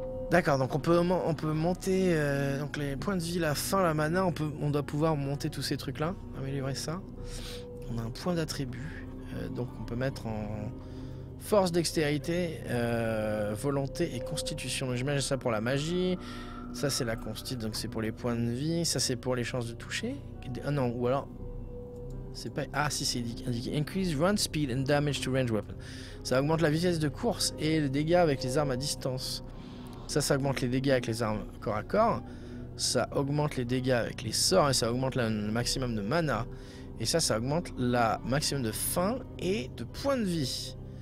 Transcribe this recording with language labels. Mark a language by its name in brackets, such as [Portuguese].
[French] D'accord, donc on peut monter donc les points de vie, la fin, la mana, on doit pouvoir monter tous ces trucs-là, améliorer ça. On a un point d'attribut, donc on peut mettre en force, dextérité, volonté et constitution. Donc j'imagine ça pour la magie, ça c'est la constitution, donc c'est pour les points de vie, ça c'est pour les chances de toucher. Ah non, ou alors... C'est pas... Ah si, c'est indiqué. [English] Increase run speed and damage to range weapon. [French] Ça augmente la vitesse de course et les dégâts avec les armes à distance. Ça augmente les dégâts avec les armes corps à corps. Ça augmente les dégâts avec les sorts et ça augmente le maximum de mana. Et ça augmente la maximum de faim et de points de vie.